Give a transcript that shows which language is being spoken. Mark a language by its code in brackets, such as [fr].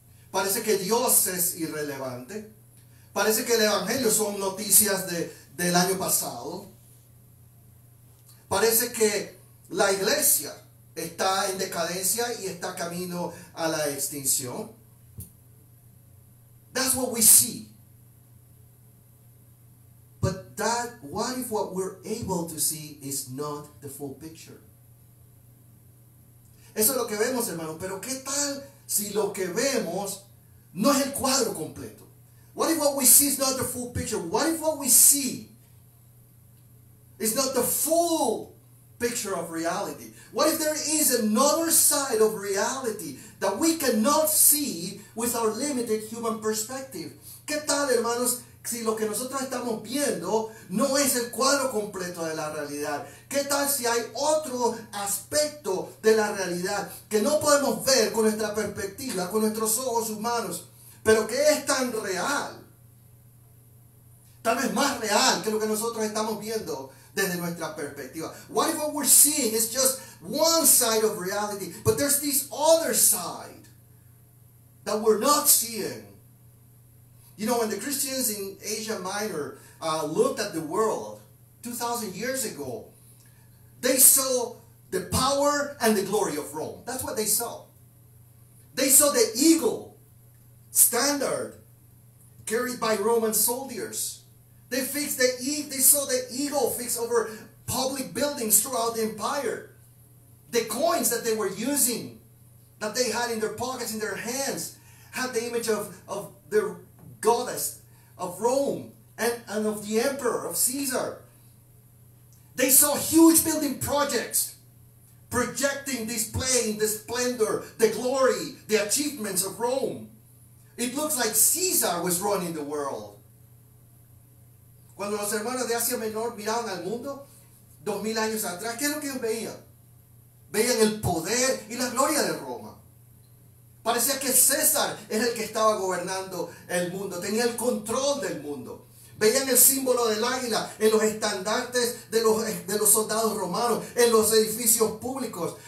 [es] Parece que Dios es irrelevante. Parece que el Evangelio son noticias del año pasado. Parece que la iglesia está en decadencia y está camino a la extinción. [en] That's what we see. But that, what if what we're able to see is not the full picture? [es] Eso es lo que vemos, hermano. Pero ¿qué tal si lo que vemos no es el cuadro completo? [en] What if what we see is not the full picture? What if what we see is not the full picture of reality? What if there is another side of reality that we cannot see with our limited human perspective? [es] ¿Qué tal, hermanos, si lo que nosotros estamos viendo no es el cuadro completo de la realidad? ¿Qué tal si hay otro aspecto de la realidad que no podemos ver con nuestra perspectiva, con nuestros ojos humanos, pero que es tan real? Tal vez más real que lo que nosotros estamos viendo desde nuestra perspectiva. [en] What if what we're seeing is just one side of reality, but there's this other side that we're not seeing? You know, when the Christians in Asia Minor looked at the world 2,000 years ago, they saw the power and the glory of Rome. That's what they saw. They saw the eagle standard carried by Roman soldiers. They saw the eagle fixed over public buildings throughout the empire. The coins that they were using, that they had in their pockets, in their hands, had the image of their goddess, of Rome, and of the emperor, of Caesar. They saw huge building projects projecting, displaying the splendor, the glory, the achievements of Rome. It looks like Caesar was running the world. [es] Cuando los hermanos de Asia Menor miraban al mundo 2000 años atrás, ¿qué es lo que ellos veían? Veían el poder y la gloria de Roma. Parecía que César era el que estaba gobernando el mundo, tenía el control del mundo. Veían el símbolo del águila en los estandartes de los soldados romanos, en los edificios públicos.